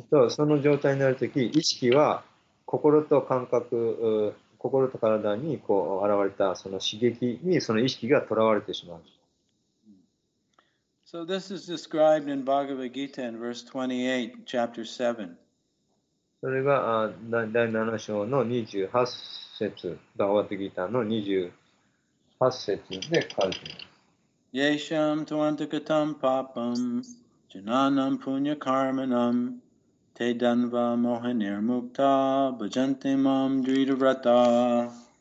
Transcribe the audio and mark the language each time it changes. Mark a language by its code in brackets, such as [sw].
[ja] その状態になるとき、意識は心と感覚、心と体にこう現れたその刺激にその意識がとらわれてしまう。 [en] So this is described in Bhagavad Gita in verse 28, chapter 7. [ja] それが第7章の28節、バガヴァッドギーターの28節で書かれています。 [sa] Yesham tuantakatam papam jananam punya karmanam te danva mohanir mukta bhajante mam dridavrata.